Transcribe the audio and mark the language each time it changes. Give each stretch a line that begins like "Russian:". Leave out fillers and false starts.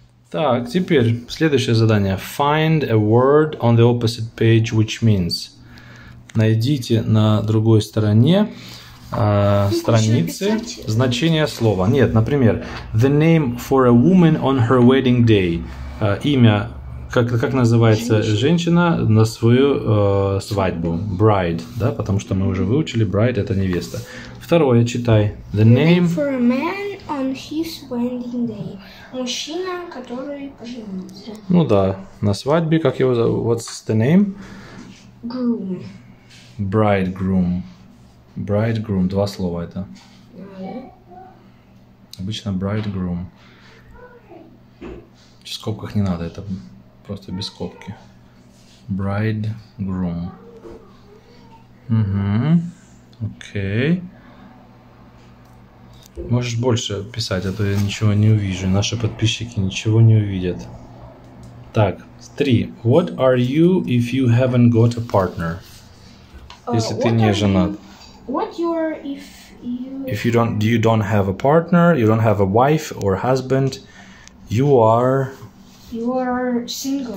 Russian: Так, теперь следующее задание.
English: Find a word on the opposite page, which means.
Russian: Найдите на другой стороне страницы значение слова. Нет, например,
English: the name for a woman on her wedding day.
Russian: Имя, как называется женщина на свою свадьбу. Bride, да, потому что мы уже выучили, bride – это невеста. Второе, читай.
English: The name for a man on his wedding day.
Russian: Мужчина, который поженится. Ну да, на свадьбе, как его зовут?
English: What's the name? Groom.
Russian: Bridegroom. Bridegroom. Два слова это. Mm-hmm. Обычно bridegroom. В скобках не надо, это просто без скобки. Bridegroom. Угу. Окей. Можешь больше писать, а то я ничего не увижу. Наши подписчики ничего не увидят. Так. Три.
English: What are you if you haven't got a partner?
Russian: Если ты не женат.
English: What you are if you... If you don't, you don't have a partner, you don't have a wife or husband, you are... You are single.